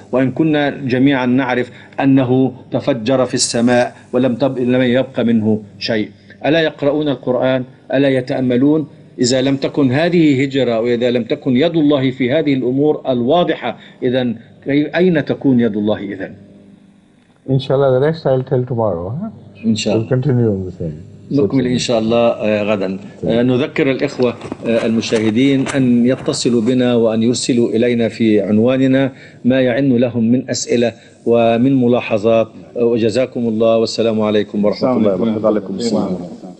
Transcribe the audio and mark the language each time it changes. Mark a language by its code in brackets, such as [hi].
[ar] وإن كنا جميعا نعرف أنه تفجر في السماء ولم يبق منه شيء. ألا يقرؤون القرآن؟ ألا يتأملون؟ إذا لم تكن هذه هجرة وإذا لم تكن يد الله في هذه الأمور الواضحة، إذن أين تكون يد الله إذن؟ إن شاء الله. [en] The rest I'll tell tomorrow. [ar] إن شاء الله. [en] We'll continue on the same. [ar] نكمل إن شاء الله غدا. نذكر الإخوة المشاهدين أن يتصلوا بنا وأن يرسلوا إلينا في عنواننا ما يعن لهم من أسئلة ومن ملاحظات. وجزاكم الله، والسلام عليكم ورحمة الله وبركاته.